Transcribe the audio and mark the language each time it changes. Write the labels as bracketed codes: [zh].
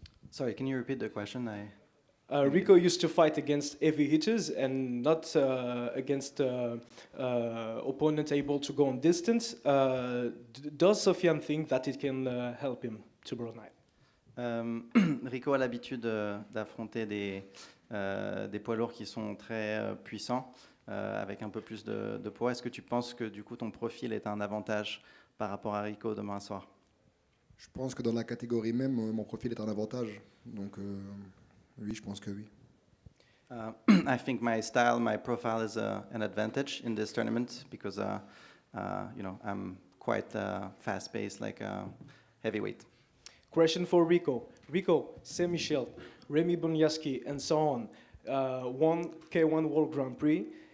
[en] Sorry, can you repeat the question? Rico used to fight against heavy hitters and not against opponents able to go on distance. Does Sofian think that it can help him tomorrow night? [fr] Rico a l'habitude d'affronter des poids lourds qui sont très puissants. Avec un peu plus de poids, est-ce que tu penses que du coup ton profil est un avantage par rapport à Rico demain soir? Je pense que dans la catégorie même, mon profil est un avantage. Donc oui, je pense que oui. [en] I think my style, my profile is an advantage in this tournament because you know, I'm quite fast-paced, like heavyweight. Question for Rico. Rico, Sammy Schild, Remy Bunyaski, and so on, won K1 World Grand Prix.